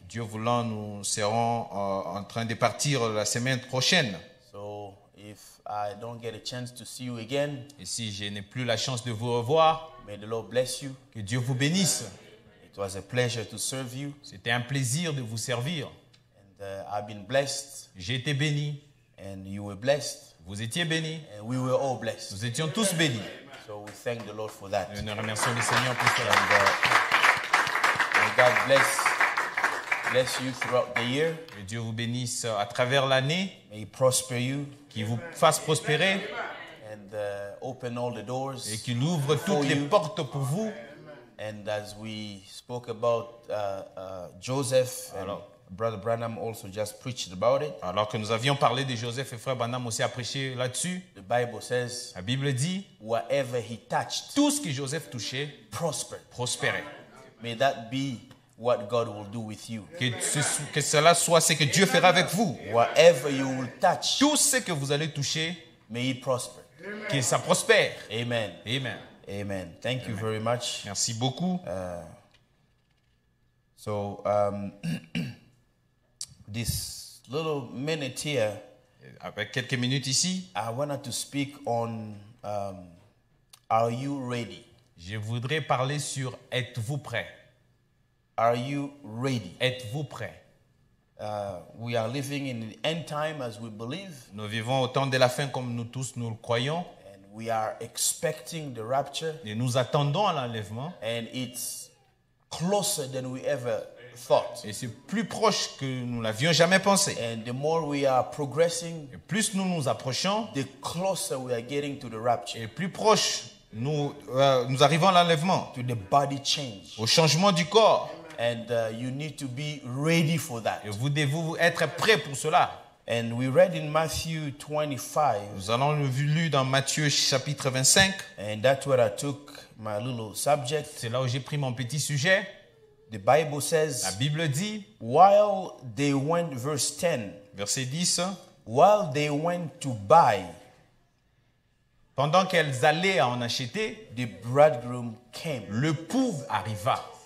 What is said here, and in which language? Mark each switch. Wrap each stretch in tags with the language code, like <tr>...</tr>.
<fr>Dieu voulant, nous serons en train de partir la semaine prochaine.</fr> <en>So if I don't get a chance to see you again,</en> <fr>et si je n'ai plus la chance de vous revoir,</fr> <en>may the Lord bless you.</en> <fr>Que Dieu vous bénisse.</fr> <en>It was a pleasure to serve you.</en> <fr>C'était un plaisir de vous servir.</fr> <en>I've been blessed.</en> <fr>J'ai été béni.</fr> <en>And you were blessed.</en> <fr>Vous étiez béni.</fr> <en>And we were all blessed.</en> <fr>Nous étions tous bénis.</fr> <en>So we thank the Lord for that.</en> <fr>Et nous remercions le Seigneur pour cela.</fr> <en>And God bless you throughout the year.</en> <fr>Que Dieu vous bénisse à travers l'année.</fr> <en>May He prosper you.</en> <fr>Qu'il vous fasse prospérer.</fr> <en>And open all the doors.</en> <fr>Et qu'il ouvre toutes les portes pour vous.</fr> <en>And as we spoke about Joseph.</en> <fr>Alors.</fr> <en>Brother Branham also just preached about it.</en> <fr>Alors que nous avions parlé de Joseph et frère Branham aussi a prêché là-dessus.</fr> <en>The Bible says,</en> <fr>la Bible dit,</fr> <en>whatever he touched,</en> <fr>tout ce que Joseph touchait, prospérait.</fr> <en>May that be what God will do with you.</en> <fr>Que cela soit ce que Dieu fera avec vous.</fr> <en>Whatever you will touch,</en> <fr>tout ce que vous allez toucher,</fr> <en>may it prosper.</en> <fr>Que ça prospère.</fr> <en>Amen.</en> <fr>Amen.</fr> <en>Amen. Thank you very much.</en> <fr>Merci beaucoup.</fr> <en>This little minute here,</en> <fr>avec quelques minutes ici,</fr> <en>I wanted to speak on are you ready?</en> <fr>Je voudrais parler sur êtes-vous prêt?</fr> <en>Are you ready?</en> <fr>Êtes-vous prêt?</fr> <en>We are living in the end time as we believe.</en> <fr>Nous vivons au temps de la fin comme nous tous nous le croyons.</fr> <en>And we are expecting the rapture.</en> <fr>Et nous attendons à l'enlèvement.</fr> <en>And it's closer than we ever thought.</en> <fr>Et c'est plus proche que nous l'avions jamais pensé.</fr> <en>And the more we are progressing,</en> <fr>et plus nous nous approchons,</fr> <en>the closer we are getting to the rapture.</en> <fr>Et plus proche nous arrivons à l'enlèvement.</fr> <en>To the body change.</en> <fr>Au changement du corps.</fr> <en>And you need to be ready for that.</en> <fr>Et vous devez être prêt pour cela.</fr> <en>And we read in Matthew 25.</en> <fr>Nous allons le lire dans Matthieu chapitre 25.</fr> <en>And that's where I took my little subject.</en> <fr>C'est là où j'ai pris mon petit sujet.</fr> <en>The Bible says,</en> <fr>la Bible dit,</fr> <en>while they went, verse 10,</en> <fr>verset 10,</fr> <en>while they went to buy,</en> <fr>pendant qu'elles allaient en acheter,</fr> <en>the bridegroom came,</en> <fr>le époux arriva,</fr>